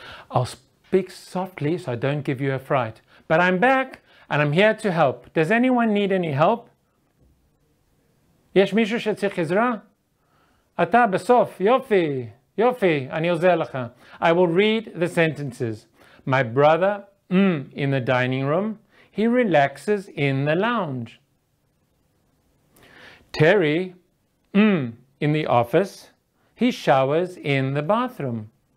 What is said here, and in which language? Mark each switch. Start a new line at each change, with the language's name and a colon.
English: I'll speak softly so I don't give you a fright. But I'm back and I'm here to help. Does anyone need any help?
Hebrew: יש מישהו שצריך עזרה? אתה בסוף, יופי, יופי, אני עוזר לך.
English: I will read the sentences. My brother, in the dining room. He relaxes in the lounge. Terry, in the office. He showers in the bathroom.